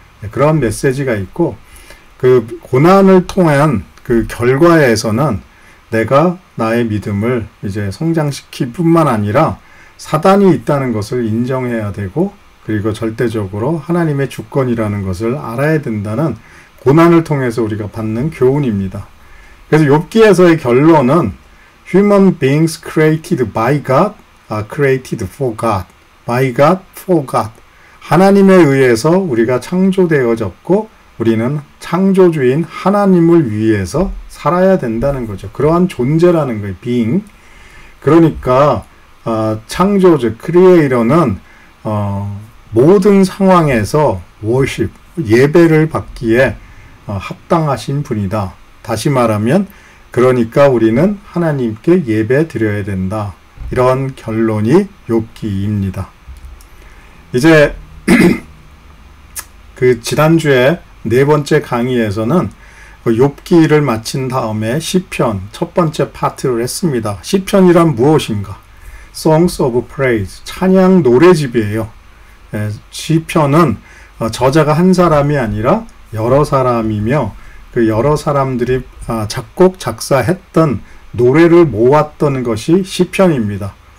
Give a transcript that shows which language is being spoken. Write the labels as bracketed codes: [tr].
[ko] 그러한 메시지가 있고, 그 고난을 통한 그 결과에서는 내가 나의 믿음을 이제 성장시킬 뿐만 아니라 사단이 있다는 것을 인정해야 되고, 그리고 절대적으로 하나님의 주권이라는 것을 알아야 된다는 고난을 통해서 우리가 받는 교훈입니다. 그래서 욥기에서의 결론은 [en] Human beings created by God are created for God. By God, for God. [ko] 하나님에 의해서 우리가 창조되어졌고, 우리는 창조주인 하나님을 위해서 살아야 된다는 거죠. 그러한 존재라는 거예요, being. 그러니까 창조주, 크리에이터는 모든 상황에서 worship, 예배를 받기에 합당하신 분이다. 다시 말하면, 그러니까 우리는 하나님께 예배 드려야 된다. 이러한 결론이 욥기입니다. 이제 그 지난주에 네 번째 강의에서는 그 욥기를 마친 다음에 시편 첫 번째 파트를 했습니다. 시편이란 무엇인가? [en] Songs of Praise, [ko] 찬양 노래집이에요. 시편은 저자가 한 사람이 아니라 여러 사람이며, 그 여러 사람들이 작곡 작사했던 노래를 모았던 것이 시편입니다.